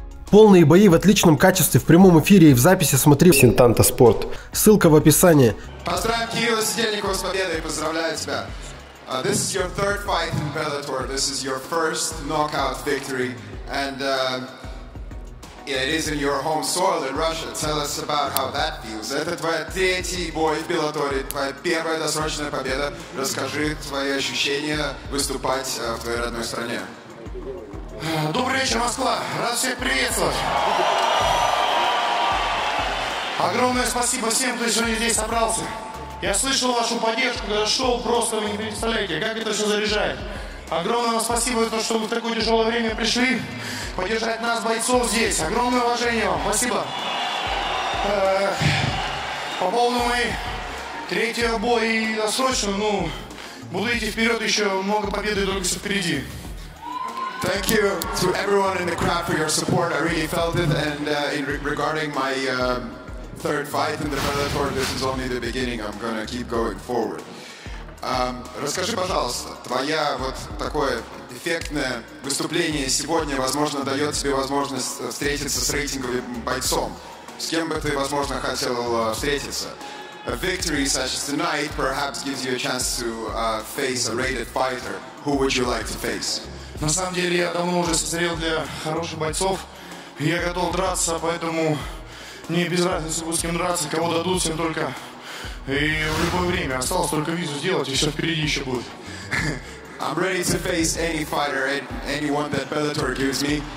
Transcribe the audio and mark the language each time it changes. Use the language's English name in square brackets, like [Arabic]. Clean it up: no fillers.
[Russian] Полные бои в отличном качестве в прямом эфире и в записи смотри в Синтанта Спорт. Ссылка в описании. Поздравим Кирилла Сидельникова с победой и поздравляю тебя. [English] This is your third fight in Bellator. This is your first knockout victory. And it is in your home soil in Russia. Tell us about how that feels. [Russian] Это твой третий бой в Беллаторе, твоя первая досрочная победа. Расскажи твои ощущения выступать в твоей родной стране. Добрый вечер, Москва! Рад всех приветствовать! Огромное спасибо всем, кто сегодня здесь собрался. Я слышал вашу поддержку, когда шел, просто вы не представляете, как это все заряжает. Огромное вам спасибо за то, что вы в такое тяжелое время пришли поддержать нас, бойцов, здесь. Огромное уважение вам, спасибо. По поводу моей третьего боя и досрочного, буду идти вперед, еще много победы, только все впереди. [English] Thank you to everyone in the crowd for your support. I really felt it. And regarding my third fight in the Bellator, this is only the beginning. I'm going to keep going forward. [Russian] Расскажи, пожалуйста, твоя вот такое эффектное выступление сегодня, возможно, дает тебе возможность встретиться с рейтинговым бойцом. С кем бы ты, возможно, хотел встретиться? [English] A victory such as tonight perhaps gives you a chance to face a rated fighter. Who would you like to face? [Russian] На самом деле, я давно уже созрел для хороших бойцов. Я готов драться, поэтому мне без разницы, с кем драться, кого дадут, всем только. И в любое время. Осталось только визу сделать, и все впереди еще будет. [English] I'm ready to face any fighter, anyone that Bellator gives me.